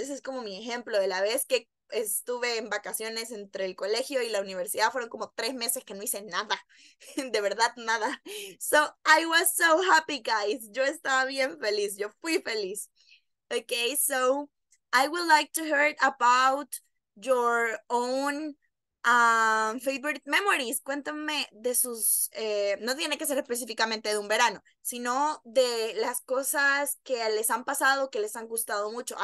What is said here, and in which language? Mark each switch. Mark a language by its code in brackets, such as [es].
[es] Ese es como mi ejemplo de la vez que estuve en vacaciones entre el colegio y la universidad. Fueron como 3 meses que no hice nada, de verdad nada. [en] So I was so happy, guys. [es] Yo estaba bien feliz, yo fui feliz. [en] Okay, so I would like to hear about your own favorite memories. [es] Cuéntame de sus, no tiene que ser específicamente de un verano, sino de las cosas que les han pasado, que les han gustado mucho.